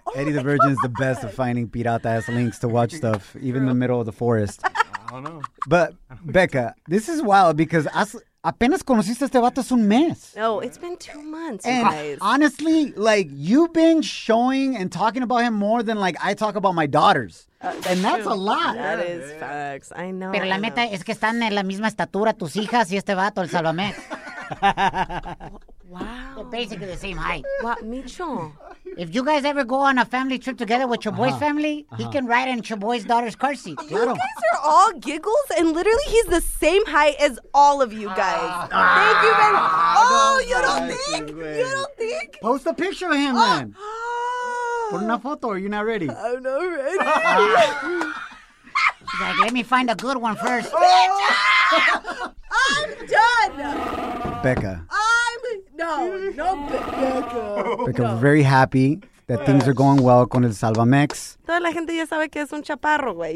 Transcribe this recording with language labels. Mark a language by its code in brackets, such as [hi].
[en] Oh, Eddie the Virgin is the best at finding pirata ass links to watch stuff, even in the middle of the forest. I don't know. But, Becca, this is wild because [es] apenas conociste este vato es un mes. [en] No, it's been 2 months, and you guys. Honestly, like, you've been showing and talking about him more than, like, I talk about my daughters. And that's a lot. That is facts. I know. [es] Pero la meta es que están en la misma estatura tus hijas y este vato, el Salvamex. [en] Wow. They're basically the same height. What, Micho? If you guys ever go on a family trip together with Chaboy's family, he can ride in Chaboy's daughter's car seat. You guys are all giggles, and literally he's the same height as all of you guys. Thank you, man. You don't think? Post a picture of him, then. Put in a photo, or you're not ready? I'm not ready. He's like, let me find a good one first. I'm done. Becca. No, Becca. We're very happy that things are going well [es] con el Salvamex. Toda la gente ya sabe que es un chaparro, güey.